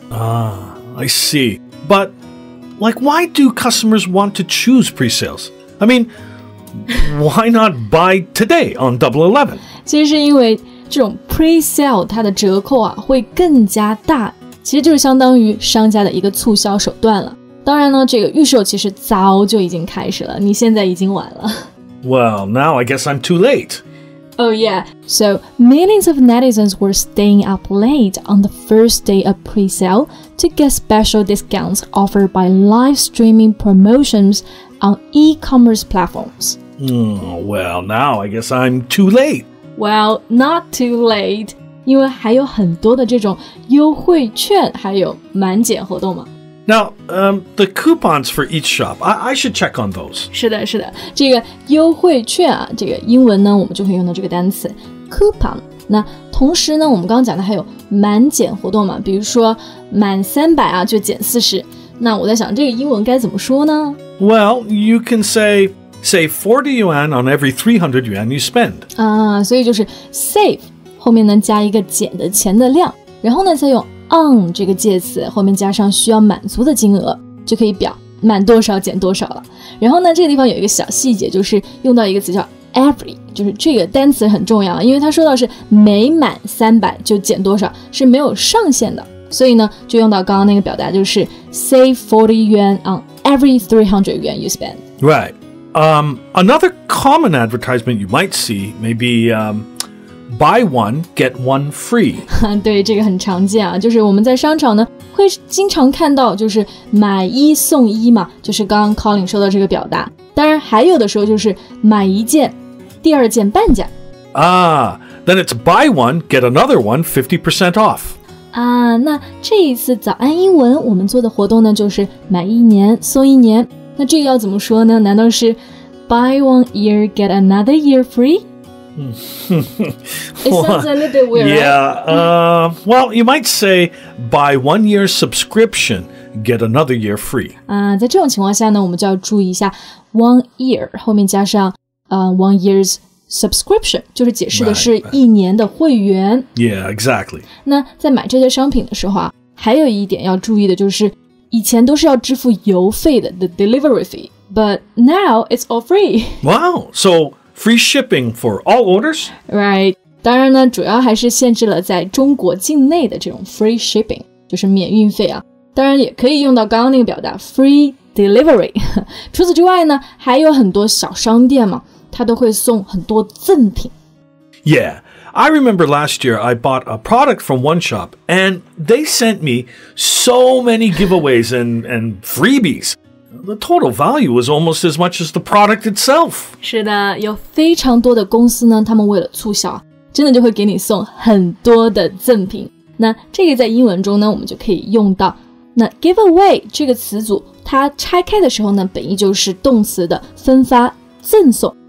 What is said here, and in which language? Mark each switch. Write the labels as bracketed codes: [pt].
[en] I see. But... Like, why do customers want to choose pre-sales? I mean, why not buy today on Double 11? [zh] 其实是因为这种 pre-sale 它的折扣啊会更加大，其实就是相当于商家的一个促销手段了。当然呢，这个预售其实早就已经开始了，你现在已经晚了。 [en] Well, now I guess I'm too late. Oh yeah, so millions of netizens were staying up late on the first day of pre-sale to get special discounts offered by live streaming promotions on e-commerce platforms. Well, now I guess I'm too late. Well, not too late, [zh] 因为还有很多的这种优惠券还有满减活动嘛。 [en] Now, the coupons for each shop, I should check on those. [zh] 是的是的，这个优惠券啊，这个英文呢我们就会用到这个单词 coupon。那同时呢我们刚刚讲的还有满减活动嘛，比如说满300啊就减40，那我在想这个英文该怎么说呢？ [en] Well, you can save 40 yuan on every 300 yuan you spend. [zh] 啊，所以就是 save 后面呢加一个减的钱的量，然后呢再用on 这个介词后面加上需要满足的金额，就可以表满多少减多少了。然后呢这个地方有一个小细节，就是用到一个词叫 every， 就是这个单词很重要，因为它说到是每满300就减多少，是没有上限的，所以呢就用到刚刚那个表达，就是 [en] save 40 yuan on every 300 yuan you spend. Right. Another common advertisement you might see maybe buy one, get one free. [zh] 对，这个很常见啊，就是我们在商场呢会经常看到，就是买一送一嘛，就是刚刚 Colin 说到这个表达。当然还有的时候就是买一件第二件半价。 [en] Then it's buy one, get another one 50% off. [zh] 那这一次早安英文我们做的活动呢就是买一年送一年。那这个要怎么说呢？难道是 [en] buy one year, get another year free? It sounds a little bit weird. Yeah, well, you might say buy 1 year subscription, get another year free. [zh] 在这种情况下呢，我们就要注意一下 1 year 后面加上1 year's subscription， 就是解释的是一年的会员。 [en] Right. Yeah, exactly. [zh] 那在买这些商品的时候啊，还有一点要注意的就是，以前都是要支付邮费的 ， [en] the delivery fee， but now it's all free. Wow, so. Free shipping for all orders? Right. [zh] 当然呢，主要还是限制了在中国境内的这种 free shipping， 就是免运费啊。当然也可以用到刚刚那个表达 free delivery. 除此之外呢，还有很多小商店嘛，它都会送很多赠品。 [en] Yeah, I remember last year I bought a product from one shop and they sent me so many giveaways and freebies. The total value was almost as much as the product itself. [zh] 是的，有非常多的公司呢，他们为了促销，真的就会给你送很多的赠品。那这个在英文中呢，我们就可以用到。那 give away 这个词组，它拆开的时候呢，本意就是动词的分发、赠送。